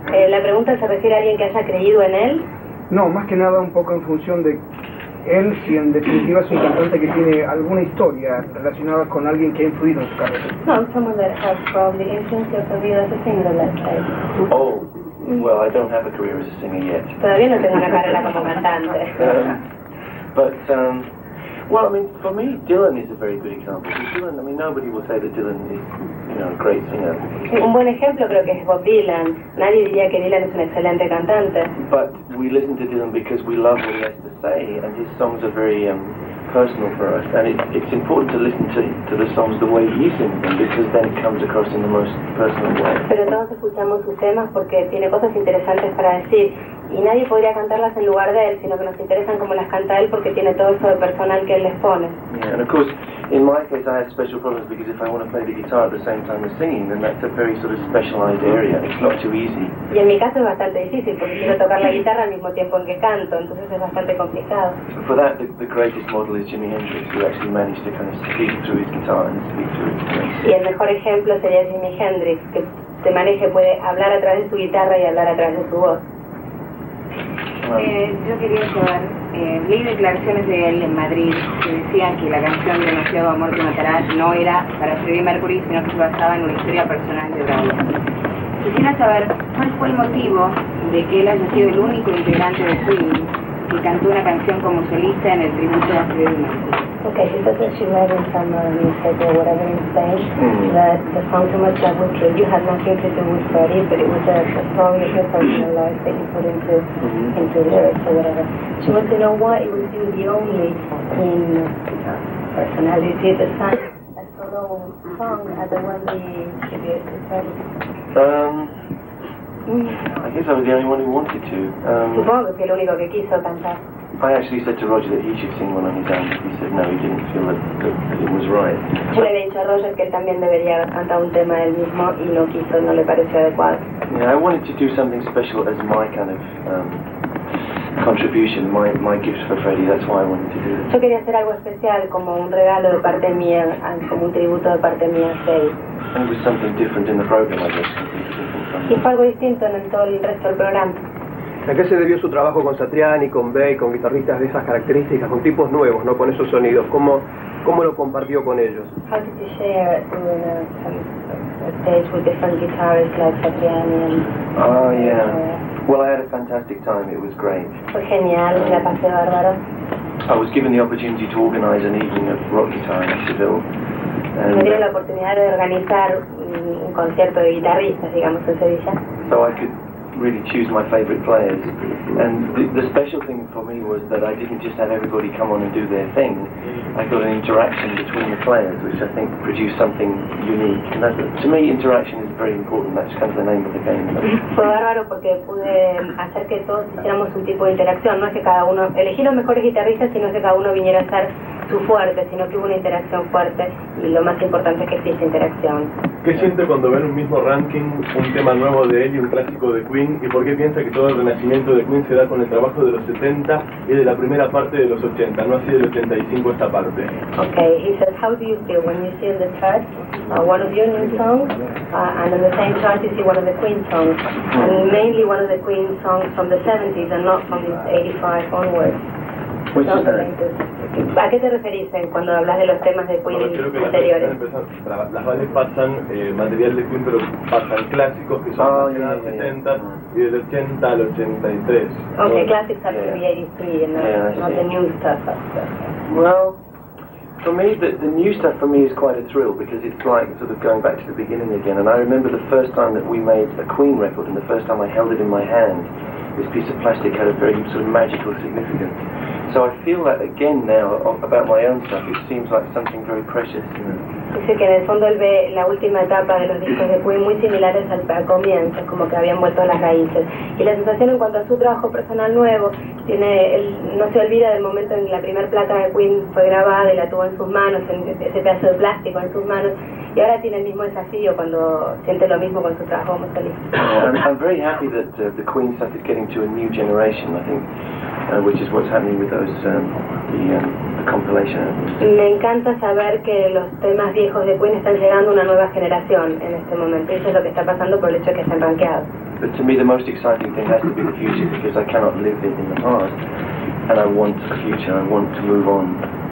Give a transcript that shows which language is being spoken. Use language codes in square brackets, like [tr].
[es] La pregunta se refiere a alguien que haya creído en él. No, más que nada un poco en función de él, si en definitiva es un cantante que tiene alguna historia relacionada con alguien que ha influido en su carrera. [en] No, someone that has probably influenced your career as a singer, let's say. Oh. Well, I don't have a career as a singer yet. [es] Todavía no tengo una carrera como cantante. [en] Well, I mean, for me, Dylan is a very good example. Dylan, I mean, nobody will say that Dylan is, you know, a great singer. [es] Un buen ejemplo creo que es Bob Dylan. Nadie diría que Dylan es un excelente cantante. [en] But we listen to Dylan because we love what he has to say, and his songs are very personal for us. And it's important to listen to the songs the way he sings them, because then it comes across in the most personal way. [es] Pero todos escuchamos sus temas porque tiene cosas interesantes para decir. Y nadie podría cantarlas en lugar de él, sino que nos interesan como las canta él porque tiene todo eso de personal que él les pone. [en] Yeah, and of course, in my case I have special problems because if I want to play the guitar at the same time as singing, then that's a very sort of specialized area. It's not too easy. [es] Y en mi caso es bastante difícil porque quiero tocar la guitarra al mismo tiempo en que canto, entonces es bastante complicado. [en] For that, the greatest model is Jimi Hendrix, who actually managed to kind of speak through his guitar and speak through his voice. [es] Y el mejor ejemplo sería Jimi Hendrix, que se maneje, puede hablar a través de su guitarra y hablar a través de su voz. Yo quería saber, leí declaraciones de él en Madrid que decían que la canción Demasiado Amor Que Matará no era para Freddie Mercury, sino que se basaba en una historia personal de Brian. Quisiera saber cuál fue el motivo de que él haya sido el único integrante de Queen que cantó una canción como solista en el tributo a Freddie Mercury. [en] Okay, she said that she read in some newspaper or whatever in Spain that the song Too Much Love Will Kill You had nothing to do with Freddie, but it was a song of her personal life that he put into lyrics or whatever. She wants to know why it was you the only in personality at the time, a solo song as the one he gave to Freddie. I guess I was the only one who wanted to. [es] Supongo que el único que quiso cantar. [en] I actually said to Roger that he should sing one on his own. He said no, he didn't feel that it was right. [es] Yo le he dicho a Roger que él también debería cantar un tema él mismo y no quiso, no le pareció adecuado. [en] Yeah, I wanted to do something special as my kind of contribution, my gift for Freddie. That's why I wanted to do it. [es] Yo quería hacer algo especial como un regalo de parte mía, como un tributo de parte mía a Freddie. [en] And it was something different in the program, I guess. [es] Y fue algo distinto en todo el resto del programa. ¿A qué se debió su trabajo con Satriani, con Bay, con guitarristas de esas características, con tipos nuevos, no, con esos sonidos? ¿Cómo lo compartió con ellos? [en] How did you share it on a stage with different guitarists like Satriani? Oh yeah. Well, I had a fantastic time. It was great. [es] Fue genial, la pasé bárbaro. [en] I was given the opportunity to organize an evening of rock guitar in Seville. [es] Me dieron la oportunidad de organizar un concierto de guitarristas, digamos, en Sevilla. [en] So I could really choose my favorite players. And the special thing for me was that I didn't just have everybody come on and do their thing. I got an interaction between the players, which I think produced something unique. And that, to me, interaction is very important. That's kind of the name of the game. [es] Fue bárbaro porque pude hacer que todos hiciéramos un tipo de interacción. No es que cada uno elegí los mejores guitarristas, sino que cada uno viniera a hacer su fuerte, sino que hubo una interacción fuerte, y lo más importante es que existe interacción. ¿Qué siente cuando ve en un mismo ranking un tema nuevo de él y un clásico de Queen? ¿Y por qué piensa que todo el renacimiento de Queen se da con el trabajo de los 70 y de la primera parte de los 80, no así del 85 esta parte? [en] Ok, he says, how do you feel when you see in the chart one of your new songs and on the same chart you see one of the Queen songs, and mainly one of the Queen songs from the 70s and not from the 85 onwards? [es] ¿A qué te referís cuando hablas de los temas de Queen anteriores? Las radios pasan material de Queen, pero pasan clásicos que son de los 70 y del 80 al 83. Ok, clásicos al 83, no [en] the new stuff. Well, for me, the new stuff for me is quite a thrill because it's like sort of going back to the beginning again. And I remember the first time that we made a Queen record and the first time I held it in my hand, this piece of plastic had a very sort of magical significance. So I feel that again now about my own stuff. It seems like something very precious. [es] Dice que en el fondo él ve la última etapa de los discos de Queen muy similares al comienzo, como que habían vuelto a las raíces. Y la sensación en cuanto a su trabajo personal nuevo, tiene, él no se olvida del momento en que la primera placa de Queen fue grabada y la tuvo en sus manos, en ese pedazo de plástico en sus manos, y ahora tiene el mismo desafío cuando siente lo mismo con su trabajo como solista. [en] I'm very happy that the Queen started getting to a new generation, I think, which is what's happening with those the compilation. [es] Me encanta saber que los temas viejos de Queen están llegando a una nueva generación en este momento. Eso es lo que está pasando por el hecho de que están rankeados. [en] But to me the most exciting thing has to be the future, because I cannot live it in the past, and I want a future, I want to move on.